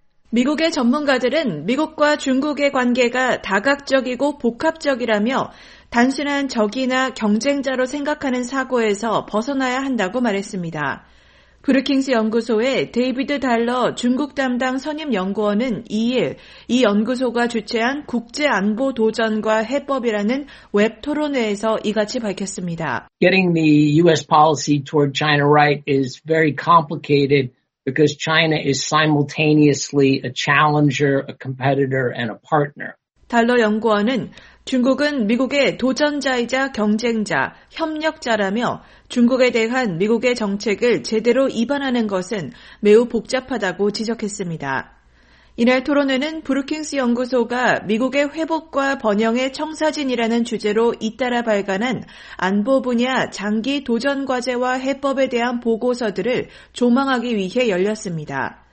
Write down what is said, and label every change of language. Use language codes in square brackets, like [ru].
[ko] 미국의 전문가들은 미국과 중국의 관계가 다각적이고 복합적이라며 단순한 적이나 경쟁자로 생각하는 사고에서 벗어나야 한다고 말했습니다. 브루킹스 연구소의 데이비드 달러 중국 담당 선임 연구원은 2일 이 연구소가 주최한 국제안보 도전과 해법이라는 웹 토론회에서 이같이 밝혔습니다. [en] Getting the U.S. policy toward China right is very complicated because China is simultaneously a challenger, a competitor, and a partner. [ko] 달러 연구원은 중국은 미국의 도전자이자 경쟁자, 협력자라며 중국에 대한 미국의 정책을 제대로 이반하는 것은 매우 복잡하다고 지적했습니다. 이날 토론회는 브루킹스 연구소가 미국의 회복과 번영의 청사진이라는 주제로 잇따라 발간한 안보 분야 장기 도전 과제와 해법에 대한 보고서들을 조망하기 위해 열렸습니다.